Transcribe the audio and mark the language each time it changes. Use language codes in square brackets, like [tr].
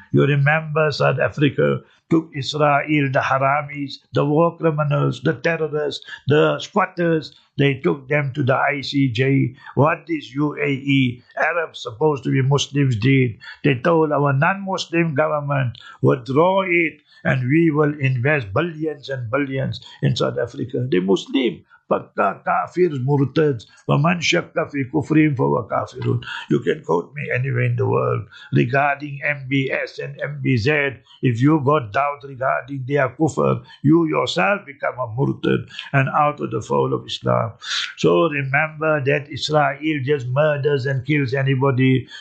[en] You remember South Africa took Israel, the haramis, the war criminals, the terrorists, the squatters. They took them to the ICJ. What is UAE, Arabs supposed to be Muslims, did? They told our non-Muslim government, withdraw it and we will invest billions and billions in South Africa. They're Muslim. [ar] فتا كافر مرتد ومن شك في كفرهم فهو كافر. [en] You can quote me anywhere in the world regarding MBS and MBZ. If you got doubt regarding their kufr, you yourself become a murtad and out of the fold of Islam. So remember that Israel just murders and kills anybody.